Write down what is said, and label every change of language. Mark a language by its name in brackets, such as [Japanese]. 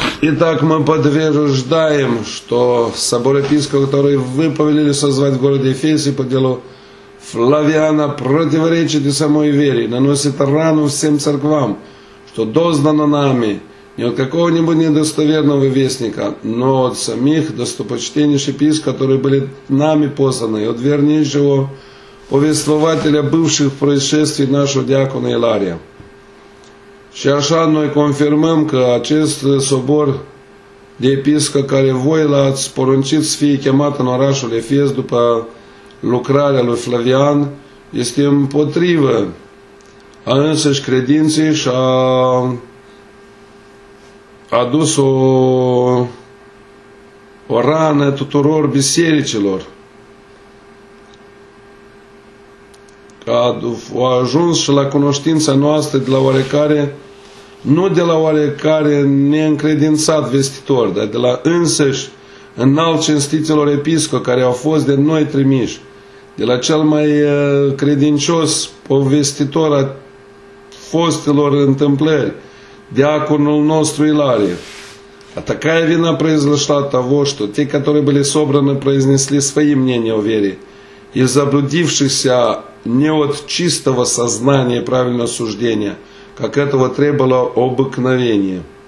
[Russian] Итак, мы подтверждаем, что собор епископа, который вы повелели созвать в городе Эфесе по делу Флавиана, противоречит и самой вере, наносит рану всем церквам, что дознано нами не от какого-нибудь недостоверного вестника, но от самих достопочтеннейших епископов, которые были нами посланы, и от вернейшего повествователя бывших происшествий нашего диакона Иларии. [Romanian] Și așa noi confirmăm că acest sobor de episcă care voi l-ați poruncit să fie chemat în orașul Efes după lucrarea lui Flavian, este împotrivă a însăși credinței și a adus o rană tuturor bisericilor. Că a ajuns și la cunoștința noastră de la oarecare, nu de la oarecare neîncredințat vestitor, dar de la însăși înalt cinstiților episcopi care au fost de noi trimiși, de la cel mai credincios povestitor a fostelor întâmplări, diaconul nostru Ilarie. [Russian] A такая вина произошла того, что те, которые были собраны, произнесли свои мнения о вере, и заблудившихся не от чистого сознания и правильного суждения, как этого требовало обыкновение.